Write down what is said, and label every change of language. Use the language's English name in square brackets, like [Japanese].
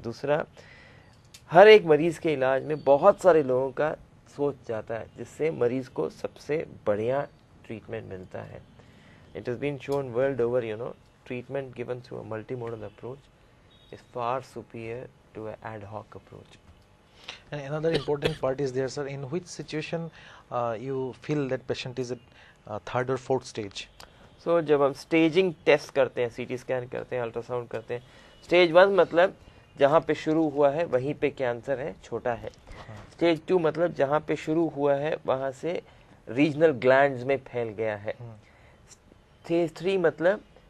[Hindi] दूसरा, हर एक मरीज़ के इलाज में बहुत सारे लोगों का सोच जाता है, जिससे मरीज़ को सबसे बढ़िया ट्रीटमेंट मिलता है। [English] It is been shown world over, you know, treatment given through a multi modal approach is far superior to a ad hoc approach. And another important part is there, sir, in which situation you feel that patient is at third or fourth stage? [Hindi] So, जब हम staging test करते हैं, CT scan करते हैं, ultrasound करते हैं, stage 1 मतलब जहाँ पे शुरू हुआ है वहीं पे cancer है, छोटा है। Stage 2 मतलब जहाँ पे शुरू हुआ है वहाँ से regional glands में फैल गया है। Stage 3 मतलब